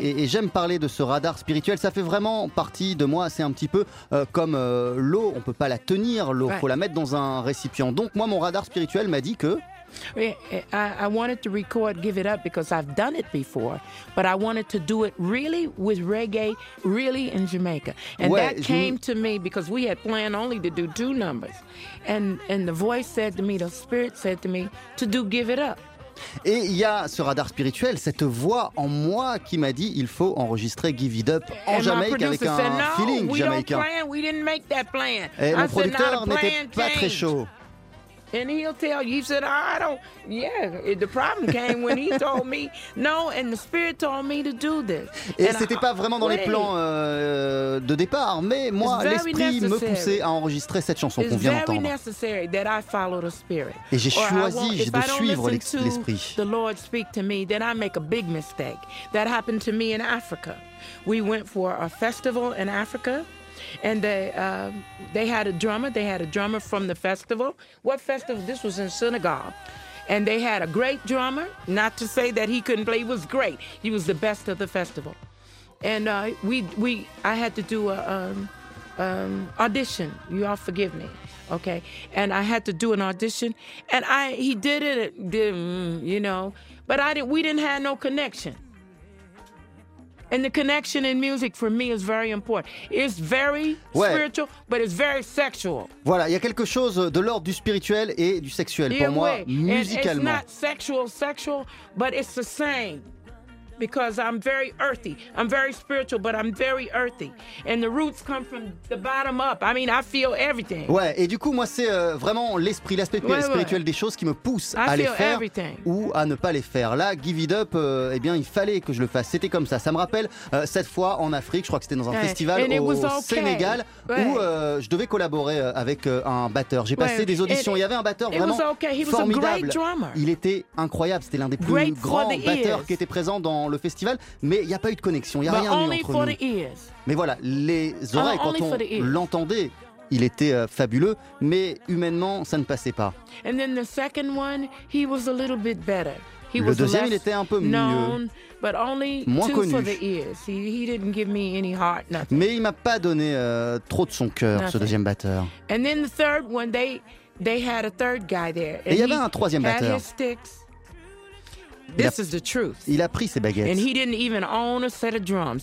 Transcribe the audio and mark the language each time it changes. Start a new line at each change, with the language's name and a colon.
French: Et j'aime parler de ce radar spirituel. Ça fait vraiment partie de moi, c'est un petit peu comme l'eau. On ne peut pas la tenir, l'eau, il faut la mettre dans un récipient. Donc moi, mon radar spirituel m'a dit que...
English: I wanted to record Give It Up because I've done it before, but I wanted to do it really with reggae, really in Jamaica. And
French: ouais,
English: that came to me because we had planned only to do two numbers. And the voice said to me, the spirit said to me, to do Give It Up.
French: Et il y a ce radar spirituel, cette voix en moi qui m'a dit il faut enregistrer Give It Up en Jamaïque avec un
English: said, no,
French: feeling jamaïcain.
English: Plan. We didn't make that plan.
French: Et
English: I
French: mon producteur n'était pas très chaud.
English: And he'll tell you, he said, I don't, yeah, the problem came when he told me, no, and the spirit told me to do this.
French: Et c'était pas vraiment dans les plans de départ, mais moi, l'esprit me poussait à enregistrer cette chanson qu'on vient d'entendre.
English: It's very necessary that I follow the spirit.
French: Et j'ai choisi de suivre l'esprit.
English: The Lord speak to me, then I make a big mistake. That happened to me in Africa. We went for a festival in Africa. And they had a drummer from the festival. What festival? This was in Senegal. And they had a great drummer, not to say that he couldn't play, he was great. He was the best of the festival. And I had to do a audition. You all forgive me. Okay. And I had to do an audition and we didn't have no connection. And the connection in music for me is very important. It's very
French: ouais.
English: spiritual, but it's very sexual.
French: Voilà, il y a quelque chose de l'ordre du spirituel et du sexuel pour moi, musicalement.
English: And it's not sexual, but it's the same. Because I'm very earthy. I'm very spiritual, but I'm very earthy. And the roots come from the bottom up. I mean, I feel everything.
French: Ouais, et du coup, moi, c'est vraiment l'esprit, l'aspect spirituel des choses qui me pousse à les faire
English: everything.
French: Ou à ne pas les faire. Là, Give It Up, eh bien, il fallait que je le fasse. C'était comme ça. Ça me rappelle cette fois en Afrique, je crois que c'était dans un festival au Sénégal, où je devais collaborer avec un batteur. J'ai passé des auditions. Il y avait un batteur vraiment formidable. Il était incroyable. C'était l'un des plus grands batteurs qui était présent dans le festival, mais il n'y a pas eu de connexion, il n'y a rien eu entre nous. Mais voilà, les oreilles, quand on l'entendait, il était fabuleux, mais humainement, ça ne passait pas.
English: And then the second one, he was a little bit better.
French: Le deuxième, il était un peu mieux, moins connu. Mais il ne m'a pas donné trop de son cœur, ce deuxième batteur.
English: And then the third one, they had a third guy there.
French: Et il y avait un troisième batteur.
English: This is the truth.
French: Il a pris ses baguettes.
English: And he didn't even own a set of drums.